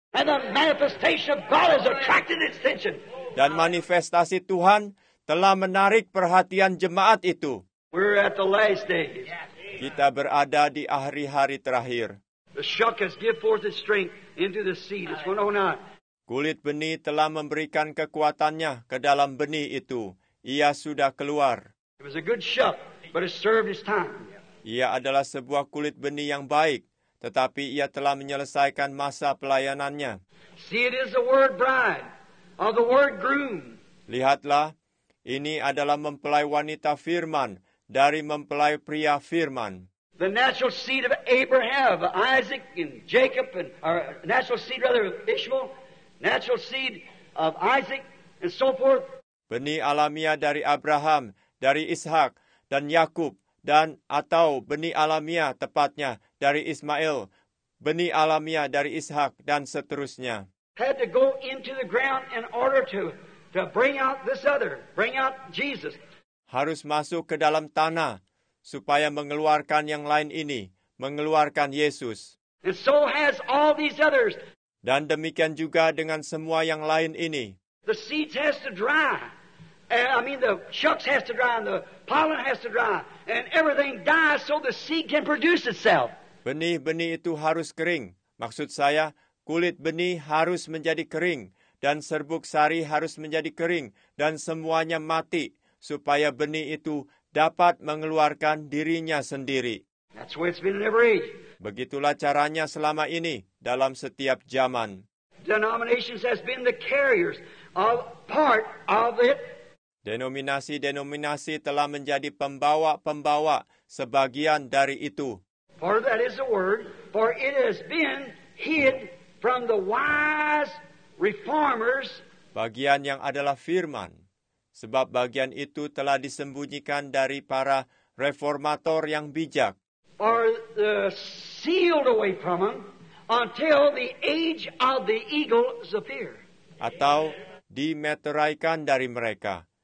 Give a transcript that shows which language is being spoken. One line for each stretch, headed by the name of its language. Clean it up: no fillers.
English: And the manifestation of God has attracted its attention.
Indonesian: Dan manifestasi Tuhan telah menarik perhatian jemaat itu.
English: We're at the last days.
Indonesian: Kita berada di hari-hari terakhir.
English: The shuck has given forth its strength into the seed. It's going on now.
Indonesian: Kulit benih telah memberikan kekuatannya ke dalam benih itu. Ia sudah keluar.
English: It was a good shuck, but it served its time.
Indonesian: Ia adalah sebuah kulit benih yang baik, tetapi ia telah menyelesaikan masa pelayanannya.
English: See, it is the word bride, or the word groom.
Indonesian: Lihatlah, ini adalah mempelai wanita firman dari mempelai pria firman.
English: The natural seed of Abraham, Isaac, and Jacob, and or natural seed rather of Ishmael, natural seed of Isaac, and so forth.
Indonesian: Benih alamiah dari Abraham, dari Ishak, dan Yakub, dan atau benih alamiah tepatnya dari Ismail, benih alamiah dari Ishak, dan seterusnya.
English: Had to go into the ground in order to bring out this other, bring out Jesus.
Indonesian: Harus masuk ke dalam tanah supaya mengeluarkan yang lain ini, mengeluarkan Yesus.
English: And so has all these others.
Indonesian: Dan demikian juga dengan semua yang lain ini.
English: The seeds has to dry. The shucks has to dry and the pollen has to dry and everything dies so the seed can produce itself.
Indonesian: Benih-benih itu harus kering. Maksud saya, kulit benih harus menjadi kering dan serbuk sari harus menjadi kering dan semuanya mati supaya benih itu dapat mengeluarkan dirinya sendiri.
English: That's the way it's been in every age.
Indonesian: Begitulah caranya selama ini dalam setiap zaman.
English: Denominations has been the carriers. Of part of it.
Indonesian: Denominasi-denominasi telah menjadi pembawa-pembawa sebagian dari itu.
English: For that is the word, for it has been hid from the wise reformers.
Indonesian: Bagian yang adalah firman, sebab bagian itu telah disembunyikan dari para reformator yang bijak.
English: Or the sealed away from them until the age of the eagles appear.
Indonesian: Atau dimeteraikan dari mereka